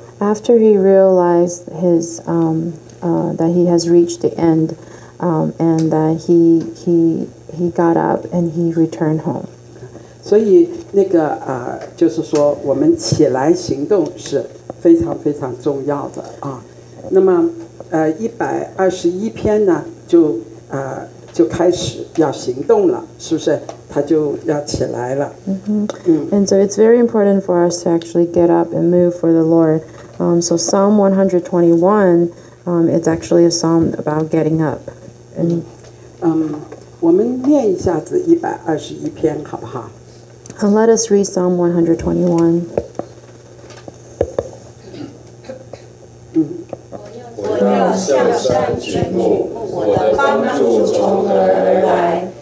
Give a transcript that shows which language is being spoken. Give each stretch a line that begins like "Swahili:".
English: After he realized his that he has reached the end, and that he got up and he returned home.
Chinese: 所以那个就是说我们起来行动是非常非常重要的啊。那么一百二十一篇呢，就开始要行动了，是不是？他就要起来了。
English: And so it's very important for us to actually get up and move for the Lord. So Psalm 121, it's actually a psalm about getting up.
Chinese: 我们念一下子一百二十一篇好不好
English: ？And let us read Psalm 121.
Chinese: 向山举目，我的帮助从何而来？